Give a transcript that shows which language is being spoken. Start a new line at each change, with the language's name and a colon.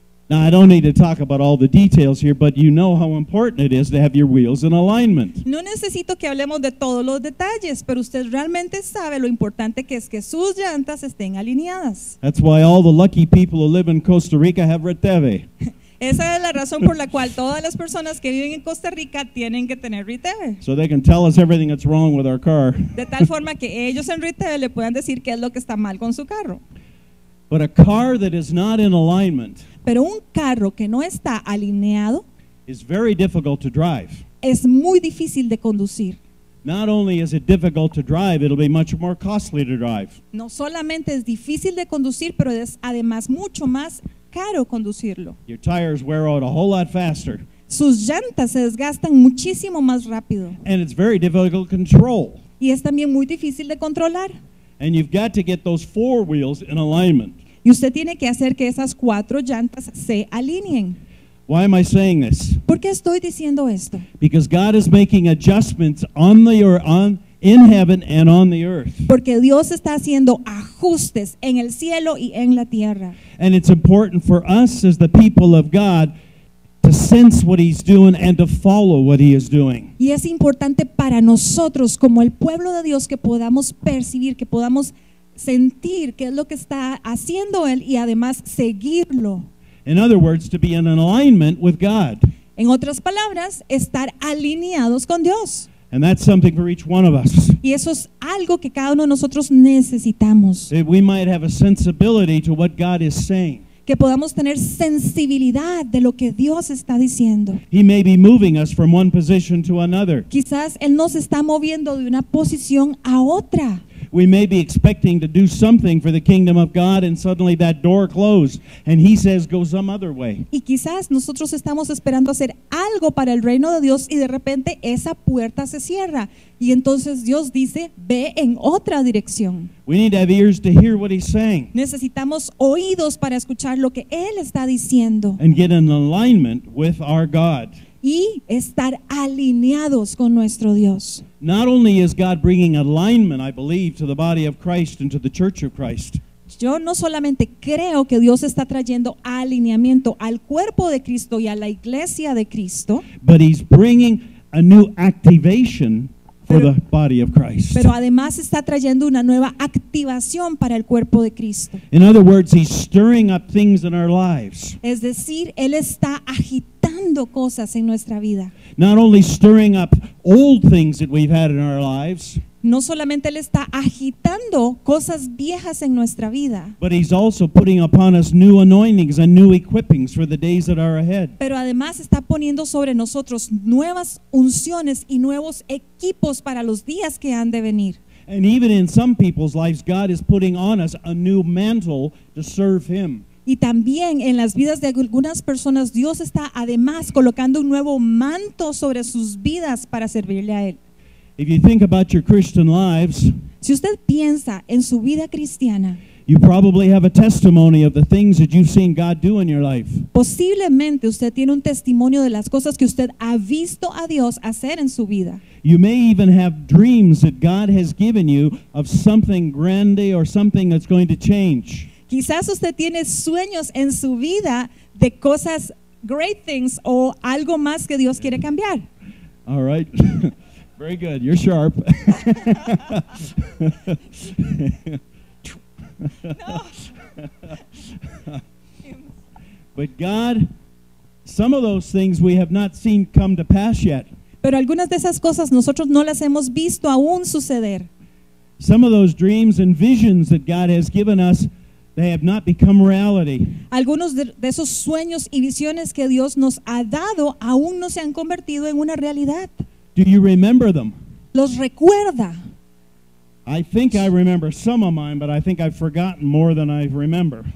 English: Now, I don't need to talk about all the details here, but you know how important it is to have your wheels in alignment.
Spanish: No necesito que hablemos de todos los detalles, pero usted realmente sabe lo importante que es que sus llantas estén alineadas.
English: That's why all the lucky people who live in Costa Rica have Riteve.
Spanish: Esa es la razón por la cual todas las personas que viven en Costa Rica tienen que tener Riteve.
English: So they can tell us everything that's wrong with our car.
Spanish: De tal forma que ellos en Riteve le puedan decir qué es lo que está mal con su carro.
English: But a car that is not in alignment,
Spanish: pero un carro que no está alineado,
English: is very difficult to drive.
Spanish: Es muy difícil de conducir.
English: Not only is it difficult to drive, it'll be much more costly to drive.
Spanish: No solamente es difícil de conducir, pero es además mucho más caro conducirlo.
English: Your tires wear out a whole lot faster.
Spanish: Sus llantas se desgastan muchísimo más rápido.
English: And it's very difficult to control.
Spanish: Y es también muy difícil de controlar.
English: And you've got to get those four wheels in alignment.
Spanish: Y usted tiene que hacer que esas cuatro llantas se alineen.
English: Why am I saying this?
Spanish: ¿Por qué estoy diciendo esto?
English: Because God is making adjustments on the earth, in heaven and on the earth.
Spanish: Porque Dios está haciendo ajustes en el cielo y en la tierra.
English: And it's important for us as the people of God to sense what He's doing and to follow what He is doing.
Spanish: Y es importante para nosotros como el pueblo de Dios que podamos percibir, que podamos sentir qué es lo que está haciendo él y además seguirlo.
English: In other words, to be in alignment with God.
Spanish: En otras palabras, estar alineados con Dios.
English: And that's something for each one of us.
Spanish: Y eso es algo que cada uno de nosotros necesitamos.
English: That we might have a sensibility to what God is saying.
Spanish: Que podamos tener sensibilidad de lo que Dios está diciendo.
English: He may be moving us from one position to another.
Spanish: Quizás Él nos está moviendo de una posición a otra.
English: We may be expecting to do something for the kingdom of God and suddenly that door closed and he says go some other way.
Spanish: Y quizás nosotros estamos esperando hacer algo para el reino de Dios y de repente esa puerta se cierra y entonces Dios dice ve en otra dirección.
English: We need to have ears to hear what he's saying.
Spanish: Necesitamos oídos para escuchar lo que él está diciendo.
English: And get in alignment with our God.
Spanish: Y estar alineados con nuestro Dios.
English: Not only is God bringing alignment, I believe, to the body of Christ and to the church of Christ.
Spanish: Yo no solamente creo que Dios está trayendo alineamiento al cuerpo de Cristo y a la iglesia de Cristo.
English: But he's bringing a new activation for the body of Christ.
Spanish: Pero además está trayendo una nueva activación para el cuerpo de Cristo.
English: In other words, he's stirring up things in our lives.
Spanish: Es decir, él está agitando cosas en nuestra vida.
English: Not only stirring up old things that we've had in our lives.
Spanish: No solamente él está agitando cosas viejas en nuestra vida.
English: But he's also putting upon us new anointings and new equippings for the days that are ahead.
Spanish: Pero además está poniendo sobre nosotros nuevas unciones y nuevos equipos para los días que han de venir.
English: And even in some people's lives, God is putting on us a new mantle to serve him.
Spanish: Y también en las vidas de algunas personas, Dios está además colocando un nuevo manto sobre sus vidas para servirle a Él.
English: If you think about your Christian lives,
Spanish: si usted piensa en su vida cristiana,
English: you probably have a testimony of the things that you've seen God do in your life.
Spanish: Posiblemente usted tiene un testimonio de las cosas que usted ha visto a Dios hacer en su vida.
English: You may even have dreams that God has given you of something grande or something that's going to change.
Spanish: Quizás usted tiene sueños en su vida de cosas
English: great things
Spanish: o algo más que Dios quiere cambiar.
English: All right. Very good. You're sharp.
Spanish: No.
English: But God, some of those things we have not seen come to pass yet.
Spanish: Pero algunas de esas cosas nosotros no las hemos visto aún suceder.
English: Some of those dreams and visions that God has given us, they have not become reality.
Spanish: Algunos de esos sueños y visiones que Dios nos ha dado aún no se han convertido en una realidad.
English: Do you remember them?
Spanish: ¿Los recuerda?
English: I think I remember some of mine, but I think I've forgotten more than I remember.